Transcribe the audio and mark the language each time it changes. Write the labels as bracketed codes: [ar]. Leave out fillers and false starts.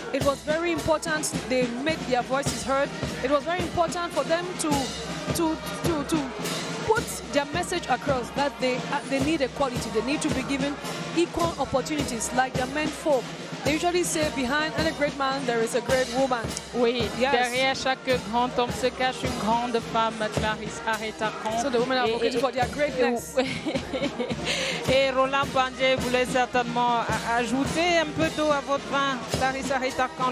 [en] It was very important they made their voices heard. It was very important for them to put their message across that they need equality, they need to be given equal opportunities like their men folk. They usually say, behind any great man, there is a great woman. [fr] Oui, [en] yes. [fr] Derrière chaque grand homme se cache une grande femme, Clarisse Arrêtacon. [en] So the women are looking for their greatness. [fr] Et Roland Pandier voulait certainement ajouter un peu d'eau à votre vin, Clarisse Arrêtacon.